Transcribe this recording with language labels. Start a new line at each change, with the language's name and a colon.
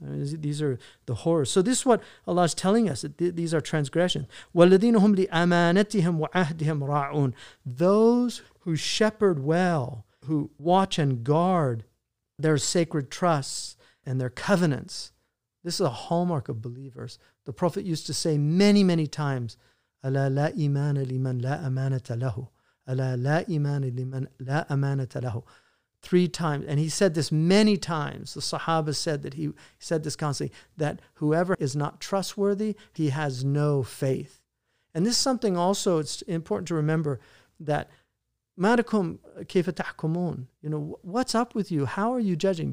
English: I mean, these are the horrors. So this is what Allah is telling us. These are transgressions.
Arabic: وَالَّذِينَ هُمْ لِأَمَانَتِهِمْ وَعَهْدِهِمْ رَاعُونَ
English: Those who shepherd well, who watch and guard their sacred trusts and their covenants. This is a hallmark of believers. The Prophet used to say many, many times,
Arabic: أَلَا لَا إِمَانَ لِمَنْ لَا أَمَانَةَ لَهُ أَلَا لَا إِمَانَ لِمَنْ لَا أَمَانَةَ لَهُ
English: Three times. And he said this many times. The Sahaba said that he said this constantly, that whoever is not trustworthy, he has no faith. And this is something also, it's important to remember that
Arabic: Madakum kayfa tahkumun,
English: you know, what's up with you? How are you judging?